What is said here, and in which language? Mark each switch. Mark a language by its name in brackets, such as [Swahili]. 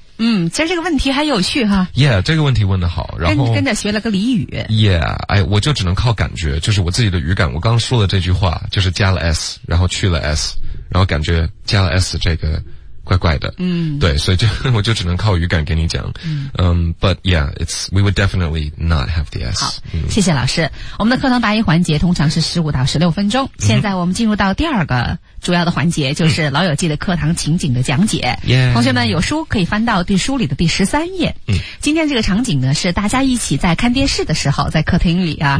[Chinese] 嗯，其实这个问题还有趣哈。 Yeah， 这个问题问得好，然后跟着学了个俚语。 Yeah， 哎，我就只能靠感觉，就是我自己的语感。我刚说的这句话就是加了 s， 然后去了 s， 然后感觉加了 s 这个怪怪的。嗯，对，所以就我就只能靠语感给你讲。 [English] 嗯 ，But yeah， it's we would definitely not have the s。 [Chinese] 好，谢谢老师。我们的课堂答疑环节通常是15到16分钟。现在我们进入到第二个。主要的环节就是老友记的课堂情景的讲解。 [English] Yeah. [Chinese] 同学们有书可以翻到第书里的第13页。嗯，今天这个场景呢是大家一起在看电视的时候在客厅里啊。